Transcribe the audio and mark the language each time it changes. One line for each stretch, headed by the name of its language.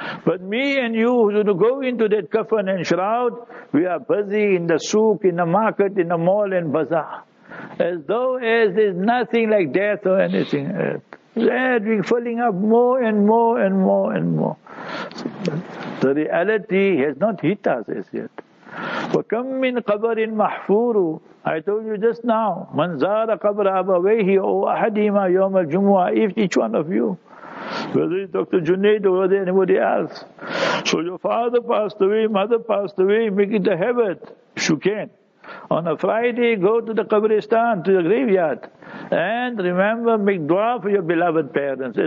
English: But me and you who are going to go into that kafan and shroud, we are busy in the souk, in the market, in the mall and bazaar. As though as there's nothing like death or anything else. That we're filling up more and more and more and more. The reality has not hit us as yet.
Arabic: وَكَمْ مِنْ قَبَرٍ مَحْفُورُ.
English: I told you just now,
Arabic: مَنْ زَارَ قَبْرَ أَبَوَيْهِ أَوْ أَحَدِهِمَا يَوْمَ الْجُمُعَةِ.
English: If each one of you, whether it's Dr. Junaid or whether anybody else, so your father passed away, mother passed away, make it a habit, if you can. On a Friday, go to the Qabristan, to the graveyard, and remember, make dua for your beloved parents.